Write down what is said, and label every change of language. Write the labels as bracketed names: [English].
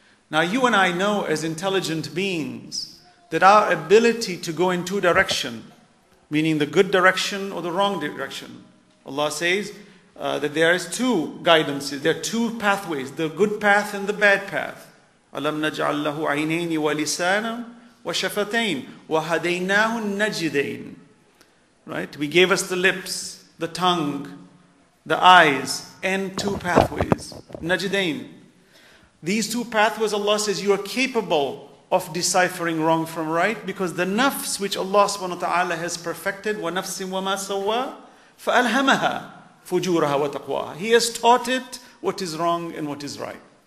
[English] Now, you and I know as intelligent beings that our ability to go in two directions, meaning the good direction or the wrong direction, Allah says that there is two guidances, there are two pathways, the good path and the bad path. [Arabic] أَلَمْ نَجْعَلْ لَهُ عَيْنَيْنِ وَلِسَانًا وَشَفَتَيْنِ وَهَدَيْنَاهُ النَّجِدَيْنِ [English] Right? We gave us the lips, the tongue, the eyes, and two pathways. نَجِدَيْن These two pathways, Allah says, you are capable of deciphering wrong from right, because the nafs which Allah subhanahu wa ta'ala has perfected, [Arabic] وَنَفْسٍ وَمَا سَوَّى فَأَلْهَمَهَا فُجُورَهَا وَتَقْوَاهَا [English] He has taught it what is wrong and what is right.